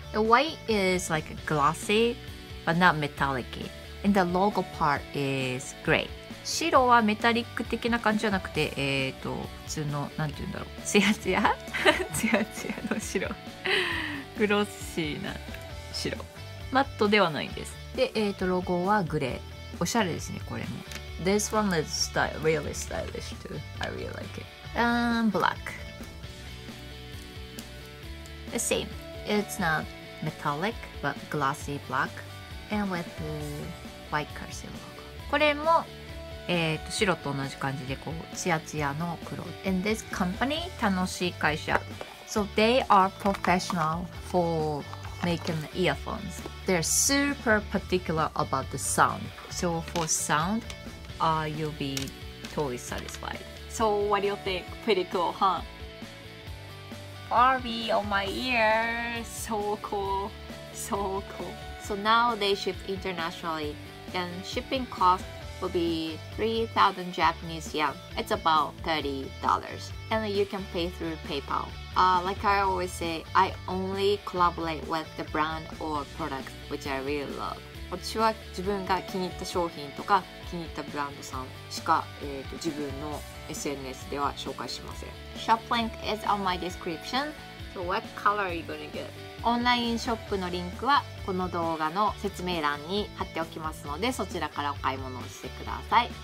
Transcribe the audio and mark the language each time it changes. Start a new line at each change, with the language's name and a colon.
English: The white is like glossy but not metallic-y. And the logo part is gray.
Japanese: 白はメタリック的な感じじゃなくて、普通の、なんて言うんだろう。ツヤツヤツヤツヤの白。グロッシーな白。マットではないです。で、ロゴはグレー。おしゃれですね、これも。
English: This one is really stylish too. I really like it. And black. The same. It's not metallic, but glossy black and with white cursive logo.
Japanese: これも、白と同じ感じでこうツヤツヤの黒。
English: And this company, 楽しい会社。So they are professional for making earphones. They're super particular about the sound. So for sound, you'll be totally satisfied. So what do you think? Pretty cool, huh? Barbie on my ear. So cool. So cool. So now they ship internationally and shipping cost will be 3,000 Japanese yen. It's about $30. And you can pay through PayPal. Like I always say, I only collaborate with the brand or product which I really love.
Japanese: 私は自分が気に入った商品とか気に入ったブランドさんしか、自分の SNS では紹介しません。
English: Shop link is on my description. So what color are you gonna get?
Japanese: オンラインショップのリンクはこの動画の説明欄に貼っておきますので、そちらからお買い物をしてください。